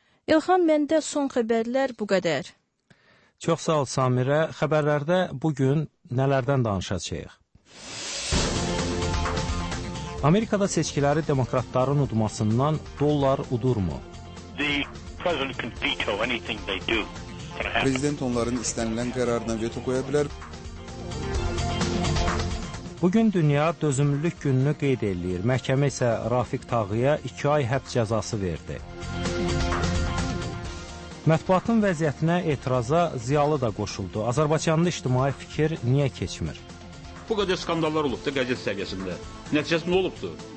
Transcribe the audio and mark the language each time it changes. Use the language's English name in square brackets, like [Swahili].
[Azerbaijani] İlxan, məndə son xəbərlər bu qədər. Çox sağ ol, Samirə. Xəbərlərdə bugün nələrdən danışacağıq? Amerikada seçkiləri demokratların udmasından dollar udurmu? [English] The president can veto anything they do. [Azerbaijani] Prezident onların istənilən qərarına veto qoya bilər. Bugün dünya dözümlülük gününü qeyd edir. Məhkəmə isə Rafiq Tağıya 2 ay həbs cəzası verdi. Mətbuatın vəziyyətinə etiraza ziyalı da qoşuldu. Azərbaycanlı ictimai fikir niyə keçmir? Bu qədər skandallar olubdu qəzet səviyyəsində. Nəticəsi nə olubdu?